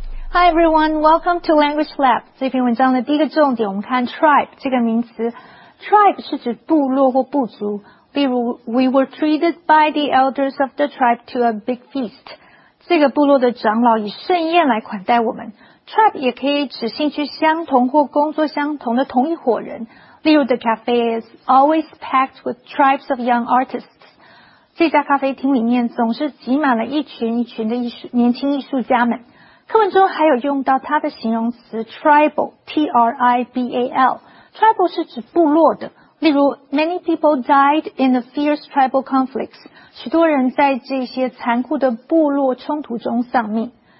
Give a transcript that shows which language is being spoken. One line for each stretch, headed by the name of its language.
English: Hi everyone, welcome to Language Lab.
Chinese: 这篇文章的第一个重点，我们看 tribe 这个名词。 Tribe 是指部落或部族。例如
English: ，We were treated by the elders of the tribe to a big feast.
Chinese: 这个部落的长老以盛宴来款待我们。 Tribe 也可以指兴趣相同或工作相同的同一伙人。例如
English: ，The cafe is always packed with tribes of young artists.
Chinese: 这家咖啡厅里面总是挤满了一群一群的年轻艺术家们。课文中还有用到它的形容词 tribal, T-R-I-B-A-L. Tribal 是指部落的。例如
English: ,many people died in the fierce tribal conflicts.
Chinese: 许多人在这些残酷的部落冲突中丧命。